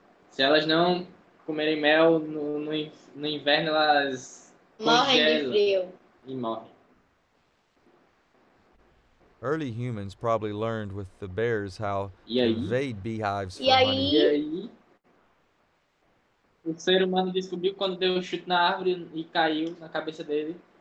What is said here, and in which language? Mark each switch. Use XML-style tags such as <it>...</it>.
<pt>Se elas não comerem mel no inverno, elas morrem de frio e morrem.</pt> <en>Early humans probably learned with the bears how to invade beehives for honey.</en> <pt>O ser humano descobriu quando deu um chute na árvore e caiu na cabeça dele.</pt>